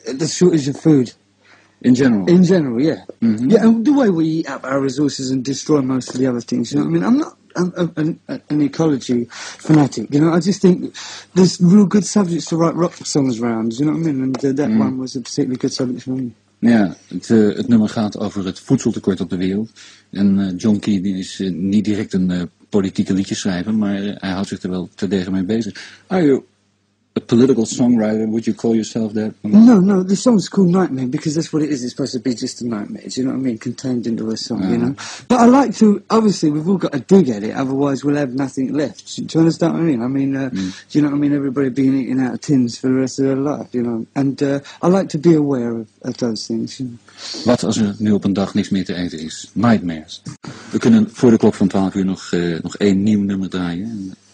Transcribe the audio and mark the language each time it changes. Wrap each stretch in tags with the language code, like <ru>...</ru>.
<en>the shortage of food, in general. In general, yeah, mm-hmm. yeah. And the way we eat up our resources and destroy most of the other things. You know, what I mean, I'm not an ecology fanatic. You know, I just think there's real good subjects to write rock songs around. You know what I mean? And that mm. one was a particularly good subject for me.</en> <nl>Ja, het nummer gaat over het voedseltekort op de wereld. En John Key is niet direct een politieke liedje schrijver, maar hij houdt zich er wel terdege mee bezig.</nl> <en>Are you a political songwriter, would you call yourself that? No, the song's called Nightmare, because that's what it is. It's supposed to be just a nightmare, do you know what I mean? Contained into a song, you know? But I like to, obviously, we've all got to dig at it, otherwise we'll have nothing left. Do you understand what I mean? I mean, do you know what I mean? Everybody being eaten out of tins for the rest of their life, you know? And I like to be aware of those things, you know?</en> <nl>Wat als er nu op een dag niks meer te eten is? Nightmares. We kunnen voor de klok van 12 uur nog één nieuw nummer draaien.</nl>